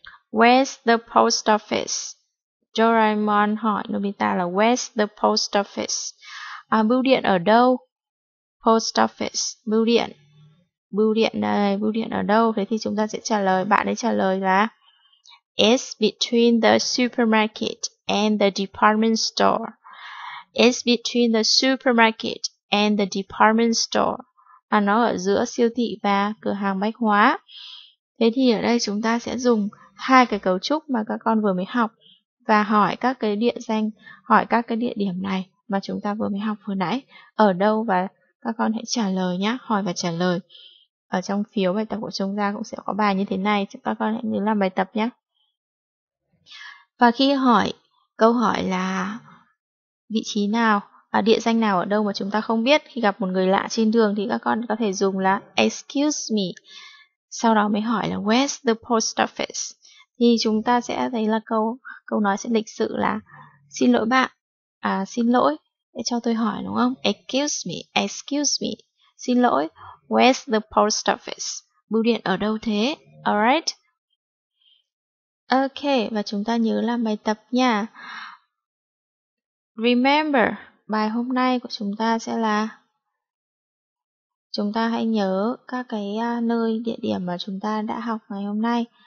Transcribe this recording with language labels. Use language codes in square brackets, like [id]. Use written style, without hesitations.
[en] Where's the post office? [vi] Doraemon hỏi Nobita là [en] where's the post office? [vi] Bưu điện ở đâu? Post office, bưu điện. Bưu điện này, bưu điện ở đâu? Thế thì chúng ta sẽ trả lời, bạn ấy trả lời là [en] it's between the supermarket and the department store. It's between the supermarket and the department store. [vi] Nó ở giữa siêu thị và cửa hàng bách hóa. Thế thì ở đây chúng ta sẽ dùng hai cái cấu trúc mà các con vừa mới học và hỏi các cái địa danh, hỏi các cái địa điểm này mà chúng ta vừa mới học vừa nãy ở đâu, và các con hãy trả lời nhé, hỏi và trả lời. Ở trong phiếu bài tập của chúng ta cũng sẽ có bài như thế này, các con hãy nhớ làm bài tập nhé. Và khi hỏi câu hỏi là vị trí nào, địa danh nào ở đâu mà chúng ta không biết, khi gặp một người lạ trên đường thì các con có thể dùng là [en] excuse me, [vi] sau đó mới hỏi là [en] where's the post office, [vi] thì chúng ta sẽ thấy là câu nói sẽ lịch sự là xin lỗi bạn, xin lỗi, để cho tôi hỏi đúng không? [en] Excuse me, [vi] xin lỗi, [en] where's the post office? [vi] Bưu điện ở đâu thế? Alright? Ok, và chúng ta nhớ làm bài tập nha. Remember, bài hôm nay của chúng ta sẽ là chúng ta hãy nhớ các cái nơi, địa điểm mà chúng ta đã học ngày hôm nay.